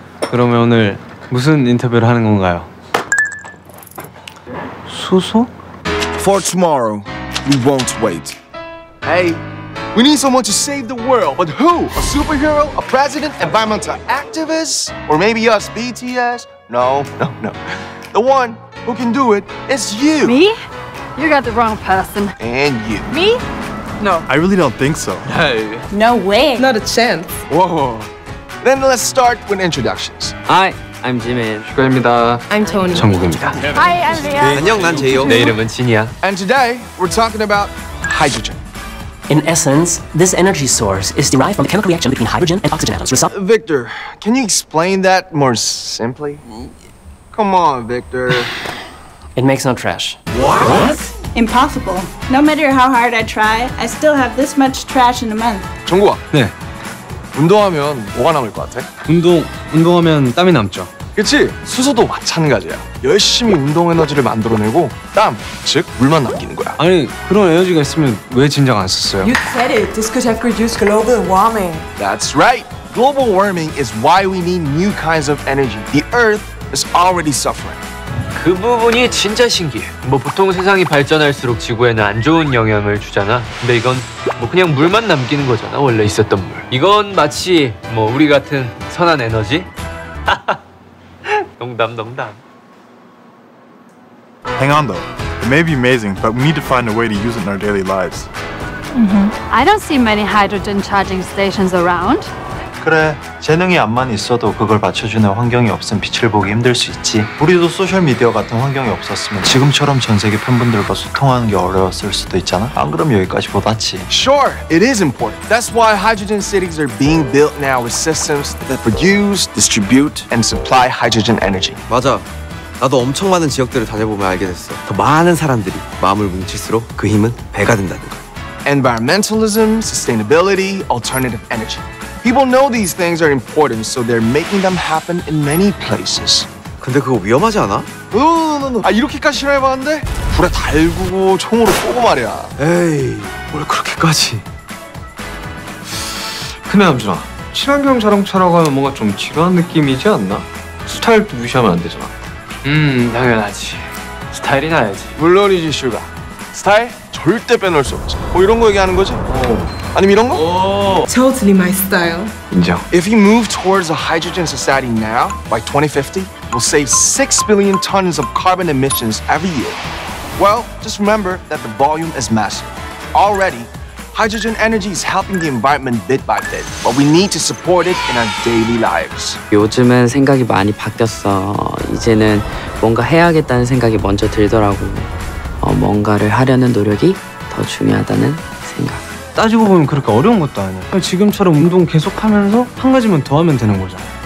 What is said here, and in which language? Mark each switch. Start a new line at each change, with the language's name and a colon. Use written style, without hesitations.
Korean: 그러면 오늘 무슨 인터뷰를 하는 건가요? 수소?
English: For tomorrow, we won't wait. Hey, we need someone to save the world. But who? A superhero? A president? Environmental activist? Or maybe us, BTS? No, no, no. The one who can do it is you. Me? You got the wrong person. And you. Me? No. I really don't think so. No. No way. Not a chance. Whoa. Then let's start with introductions. Hi, I'm Jimin.
Korean: 슈가입니다.
English: I'm Tony.
Korean: 정국입니다.
English: Hi, I'm Lea.
Korean: 안녕, 난 제이요. 내 이름은 진이야.
English: And today, we're talking about hydrogen. In essence, this energy source is derived from the chemical reaction between hydrogen and oxygen atoms. Victor, can you explain that more simply? Come on, Victor. It makes no trash. What? Impossible. No matter how hard I try, I still have this much trash in a month.
Korean: 정국아. 네. 운동하면 뭐가 남을 것 같아? 운동하면 땀이 남죠. 그치? 수소도 마찬가지야. 열심히 운동 에너지를 만들어내고 땀, 즉 물만 남기는 거야. 아니, 그런 에너지가 있으면 왜 진작 안 썼어요?
English: You said it. This could have reduced global warming. That's right. Global warming is why we need new kinds of energy. The Earth is already suffering.
Korean: 그 부분이 진짜 신기해. 뭐 보통 세상이 발전할수록 지구에는 안 좋은 영향을 주잖아. 근데 이건 뭐 그냥 물만 남기는 거잖아, 원래 있었던 물. 이건 마치 뭐 우리 같은 선한 에너지? 농담, 농담.
English: Hang on though. It may be amazing, but we need to find a way to use it in our daily lives. Mm-hmm. I don't see many hydrogen charging stations around.
Korean: 그래, 재능이 암만 있어도 그걸 맞춰주는 환경이 없으면 빛을 보기 힘들 수 있지. 우리도 소셜미디어 같은 환경이 없었으면 지금처럼 전 세계 팬분들과 소통하는 게 어려웠을 수도 있잖아. 안 그러면 여기까지 못 왔지.
English: Sure, it is important. That's why hydrogen cities are being built now with systems that produce, distribute, and supply hydrogen energy.
Korean: 맞아. 나도 엄청 많은 지역들을 다녀보면 알게 됐어. 더 많은 사람들이 마음을 뭉칠수록 그 힘은 배가 된다는 거.
English: Environmentalism, sustainability, alternative energy. People know these things are important, so they're making them happen in many places.
Korean: 근데 그거 위험하지 않아? 너. 아, 이렇게까지 싫어해봤는데? 불에 달구고 총으로 쏘고 말이야. 에이, 뭘 그렇게까지. 근데 남준아, 친환경 자동차라고 하면 뭔가 좀 지루한 느낌이지 않나? 스타일도 무시하면 안 되잖아. 당연하지. 스타일이 나야지. 물론이지, 슈가. 스타일 절대 빼놓을 수 없지. 뭐 이런 거 얘기하는 거지? 아니면 이런 거?
English: Totally my style.
Korean: 인정.
English: If we move towards a hydrogen society now, by 2050, we'll save 6 billion tons of carbon emissions every year. Well, just remember that the volume is massive. Already, hydrogen energy is helping the environment bit by bit, but we need to support it in our daily lives.
Korean: 요즘은 생각이 많이 바뀌었어. 이제는 뭔가 해야겠다는 생각이 먼저 들더라고. 뭔가를 하려는 노력이 더 중요하다는 생각. 따지고 보면 그렇게 어려운 것도 아니야. 지금처럼 운동 계속하면서 한 가지만 더 하면 되는 거잖아.